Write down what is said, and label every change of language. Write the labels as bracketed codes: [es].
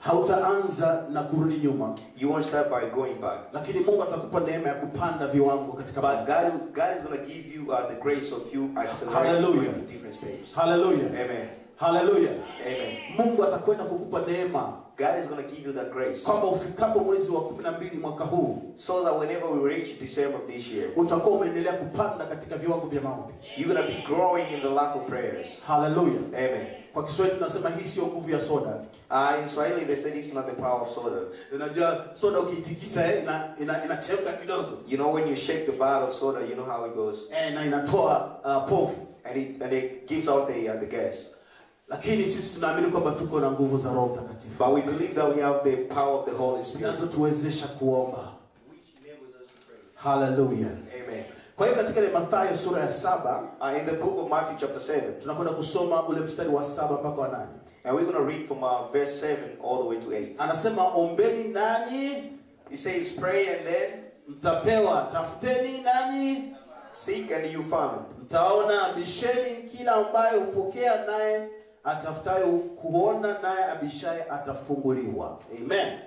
[sw] Hautaanza na kurudi nyuma. [en] You won't start by going back. [sw] Lakini Mungu atakupa neema ya kupanda viwango katika maombi. [en] God is going to give you the grace of you accelerating to different stages. Hallelujah. Amen. Hallelujah. Amen. [sw] Mungu atakwenda kukupa neema. [en] God is going to give you that grace. [sw] Kama ufikapo mwezi wa 12 mwaka huu, [en] so that whenever we reach December of this year, [sw] utakuwa umeendelea kupanda katika viwango vya maombi. [en] You're going to be growing in the life of prayers. Hallelujah. Amen. [sw] Kwa Kiswahili tunasema hii sio nguvu ya soda. [en] In Swahili they say it's not the power of soda. [sw] Unajua soda ukitikisa inachemka kidogo. [en] You know when you shake the bottle of soda, you know how it goes. [sw] Na inatoa povu [en] and it gives out the gas. [sw] Lakini sisi tunaamini kwamba tuko na nguvu za Roho Mtakatifu. [en] But we believe that we have the power of the Holy Spirit. [sw] Zinazotuwezesha kuomba. [en] Which enables us to pray. Hallelujah. Amen. [sw] Kwa hiyo katika ile Mathayo sura ya 7, [en] in the book of Matthew chapter 7, [sw] tunakwenda kusoma ule mstari wa 7 mpaka wa 8. [en] And we're going to read from verse 7 all the way to 8. [sw] Anasema ombeni nanyi, [en] he says pray and then [sw] mtapewa, tafuteni nanyi, [en] seek and you find. [sw] Mtaona bisheni kila ambaye upokea naye atafutaye kuona naye abishaye atafunguliwa. Amen.